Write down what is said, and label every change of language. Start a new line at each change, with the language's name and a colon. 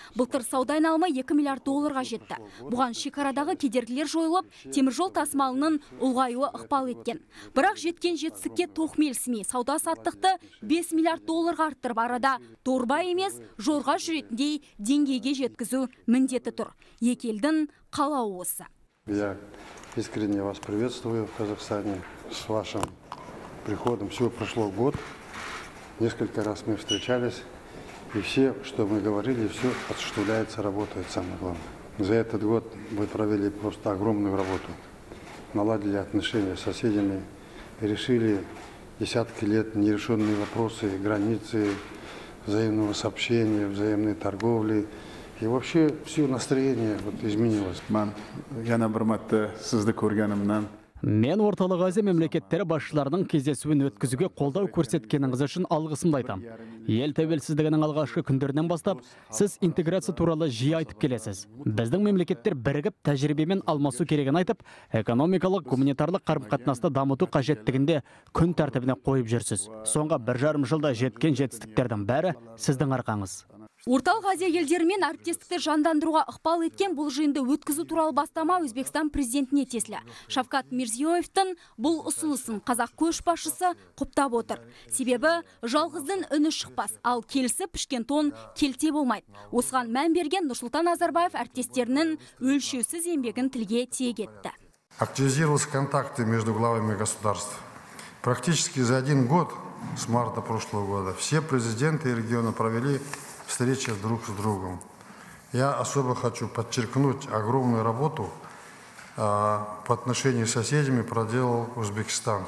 Kazakh: Былтыр сауда айналымы 2 миллиард долларға жетті. Бұған шекарадағы кедергілер жойылып, теміржол тасымалының ұлғаюы ықпал еткен. Бірақ жеткен жетістікке тоқмейілсімей, сауда саттықты 5 миллиард долларға арттырып, арада дорба емес, жорға жүретіндей деңгейге жеткізу міндеті тұр. Екі елдің қалауы осы.
Russian: Я искренне вас приветствую в Казахстане с вашим приходом. Всего прошло год, несколько раз мы встречались, и все, что мы говорили, все осуществляется, работает, самое главное. За этот год вы провели просто огромную работу, наладили отношения с соседями, решили десятки лет нерешенные вопросы, границы, взаимного сообщения, взаимной торговли. И вообще все настроение вот изменилось. Ман, я на Барматте, Сыздыкурганам, нам.
Kazakh: Мен Орталық Азия мемлекеттері басшыларының кездесуін өткізуге қолдау көрсеткеніңіз үшін алғысымды айтам. Ел тәуелсіздігінің алғашқы күндерінен бастап, сіз интеграция туралы жиі айтып келесіз. Біздің мемлекеттер бірігіп тәжірибемен алмасу керегін айтып, экономикалық, гуманитарлық қарым-қатынасты дамыту қажеттігінде күн тәртібіне қойып жүрсіз. Соңғы бір жарым жылда жеткен жетістіктердің бәрі сіздің арқаңыз. Орталық Азия елдерімен әріптестікті жандандыруға ықпал еткен бұл жиынды өткізу туралы бастама Өзбекстан президентіне тиесілі. Шавкат Мирзиёевтің бұл ұсынысын қазақ көшбасшысы құптап отыр. Себебі жалғыздың үні шықпас, ал келісіп пішкен тон келте болмайды. Осыған мән берген Нұрсұлтан Назарбаев әріптестерінің өлшеусіз еңбегін тілге тиек етті.
Russian: Активизировались контакты между главами государств. Практически за один год с марта прошлого года все президенты региона провели встреча друг с другом. Я особо хочу подчеркнуть огромную работу по отношению с соседями проделал Узбекистан.